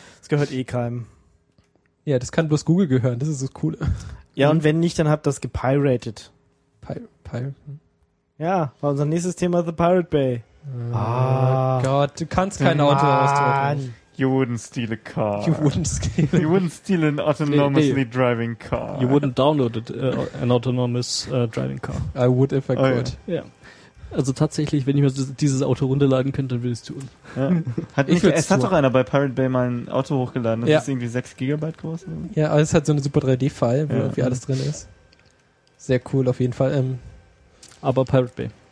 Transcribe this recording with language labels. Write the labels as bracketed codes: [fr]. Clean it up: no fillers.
[de] Es gehört eh keinem. Ja, das kann bloß Google gehören. Das ist das Coole. Ja, und wenn nicht, dann habt das gepiratet. Ja, war unser nächstes Thema The Pirate Bay. Oh Gott, du kannst kein Auto ausdrücken. [en] You wouldn't steal a car. You wouldn't steal an autonomously driving car. You wouldn't download an autonomous driving car. I would if I could. [de] Ja. Also tatsächlich, wenn ich mir dieses Auto runterladen könnte, dann würde ich es tun. Hat doch einer bei Pirate Bay mal ein Auto hochgeladen. Das ist irgendwie 6 GB groß. Ja, aber es ist halt so eine super 3D-File, wo irgendwie alles drin ist. Sehr cool auf jeden Fall. Aber Pirate Bay.